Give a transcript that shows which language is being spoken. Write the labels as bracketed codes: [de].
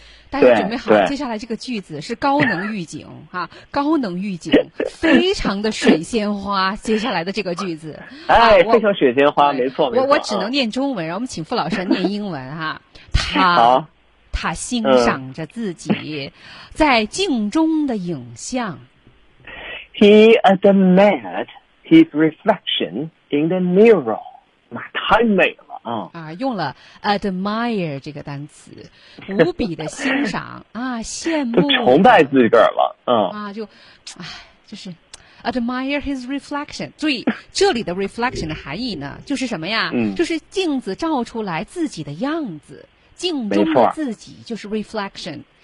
[zh] 大家准备好，接下来这个句子是高能预警哈、啊，高能预警，非常的水仙花。接下来的这个句子，哎，非常水仙花，没错，没错。我只能念中文，然后我们请傅老师念英文哈、啊。他欣赏着自己在镜中的影像。 [en] He admired his reflection in the mirror。 [zh] 妈，太美了。用了 admire 这个单词，无比的欣赏啊，羡慕，崇拜自个儿了，就是 admire his reflection。注意这里的 reflection 的含义呢，就是什么呀？就是镜子照出来自己的样子，镜中的自己就是 reflection。